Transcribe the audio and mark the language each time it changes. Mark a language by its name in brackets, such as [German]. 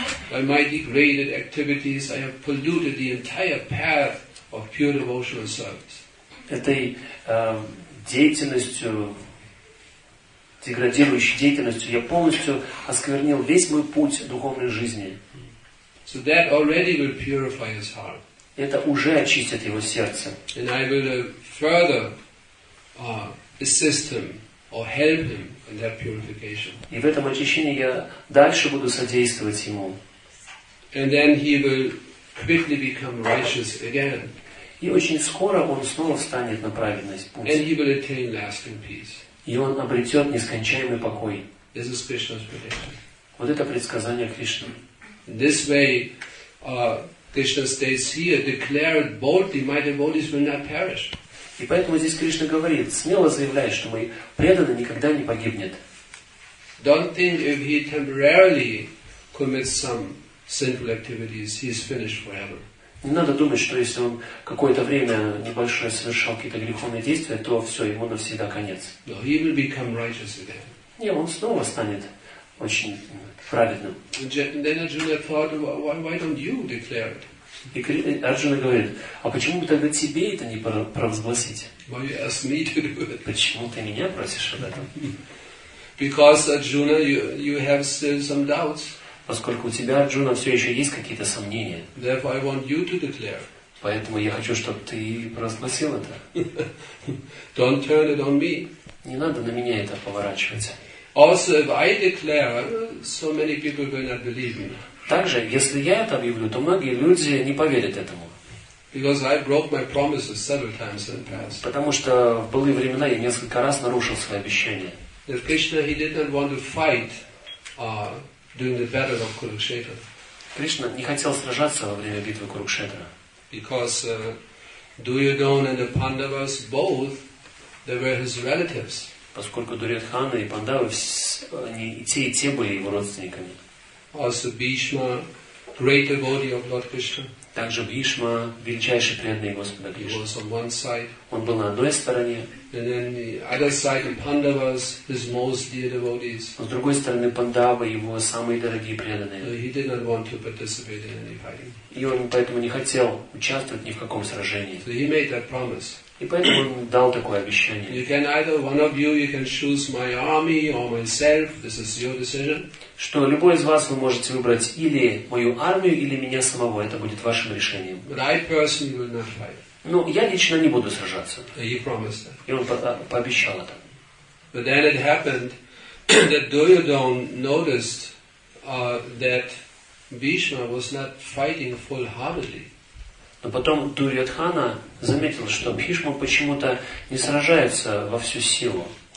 [English] By my degraded activities I have polluted the entire path of pure devotional service. [Russian] Этой деятельностью, деградирующей деятельностью, я полностью осквернил весь мой путь духовной жизни. [English] So that already will purify his heart. [Russian] Это уже очистит его сердце. [English] And I will further assist him or help him in that purification. [Russian] И в этом очищении я дальше буду содействовать ему. [English] And then he will quickly become righteous again. [Russian] И очень скоро он снова встанет на праведный путь. [English] And he will attain lasting peace. [Russian] И он обретет нескончаемый покой. [English] This is Krishna's prediction. [Russian] Вот это предсказание Кришны. [English] This way, Krishna states here, declared boldly, my devotees will not perish. [Russian] И поэтому здесь Кришна говорит, смело заявляя, что мой преданный никогда не погибнет. [English] Don't think if he temporarily commits some sinful activities, he is finished forever. [Russian] Не надо думать, что если он какое-то время небольшое совершал какие-то греховные действия, то все, ему навсегда конец. [English] No, he will become righteous again. [Russian] Не, он снова станет очень праведным. [English] And then Arjuna thought, why don't you declare it? [Russian] И Арджуна говорит, а почему бы тогда тебе это не провозгласить? [English] Why you ask me to do it? [Russian] Почему ты меня просишь об этом? [English] Because Arjuna, you have still some doubts. [Russian] Поскольку у тебя, Арджуна, все еще есть какие-то сомнения. [English] Therefore, I want you to declare. [Russian] Поэтому я хочу, чтобы ты провозгласил это. [English] Don't turn it on me. [Russian] Не надо на меня это поворачивать. [English] Also, if I declare, so many people will not believe me. [Russian] Также, если я это объявлю, то многие люди не поверят этому. [English] Because I broke my promises several times in the past. [Russian] Потому что в былые времена я несколько раз нарушил свои обещания. [English] That Krishna, he did not want to fight during the battle of Kurukshetra. [Russian] Кришна не хотел сражаться во время битвы Курукшетра. [English] Because Duryodhana and the Pandavas both, they were his relatives. [Russian] Поскольку Дурьодхана и Пандавы, они и те были его родственниками. [English] Also Bhishma, great devotee of Lord Krishna. [Russian] Также Бхишма, величайший преданный Господа Кришны. [English] He was on one side. [Russian] Он был на одной стороне. [English] And then the other side, the Pandavas, his most dear devotees. [Russian] С другой стороны, Пандавы, его самые дорогие преданные. [English] So he did not want to participate in any fighting. [Russian] И он поэтому не хотел участвовать ни в каком сражении. [English] So he made that promise. [Russian] И поэтому он дал такое обещание. [English] You can either one of you, you can choose my army or myself. This is your decision. [Russian] Что любой из вас вы можете выбрать или мою армию, или меня самого. Это будет вашим решением. [English] But I personally will not fight. [Russian] Но я лично не буду сражаться. [English] He promised that. [Russian] И он пообещал это. [English] But then it happened that Duryodhana noticed that Bhishma was not fighting full-heartedly. [Russian] Но потом Дурьодхана заметил, что Бхишма почему-то не сражается во всю силу.